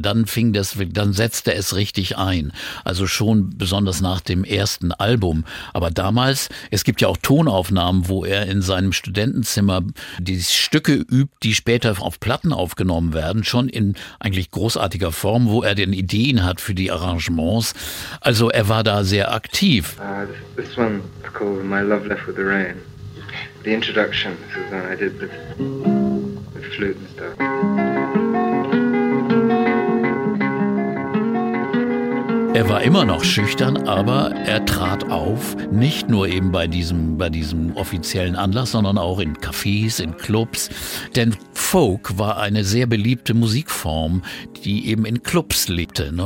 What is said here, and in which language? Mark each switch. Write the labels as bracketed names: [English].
[German] Dann setzte es richtig ein. Also schon besonders nach dem ersten Album. Aber damals, es gibt ja auch Tonaufnahmen, wo er in seinem Studentenzimmer die Stücke übt, die später auf Platten aufgenommen werden, schon in eigentlich großartiger Form, wo er denn Ideen hat für die Arrangements. Also er war da sehr aktiv. [English] This one is called My Love Left with the Rain. The introduction, this is when I did with flute and stuff. [German] Er war immer noch schüchtern, aber er trat auf, nicht nur eben bei diesem offiziellen Anlass, sondern auch in Cafés, in Clubs. Denn Folk war eine sehr beliebte Musikform, die eben in Clubs lebte. Ne?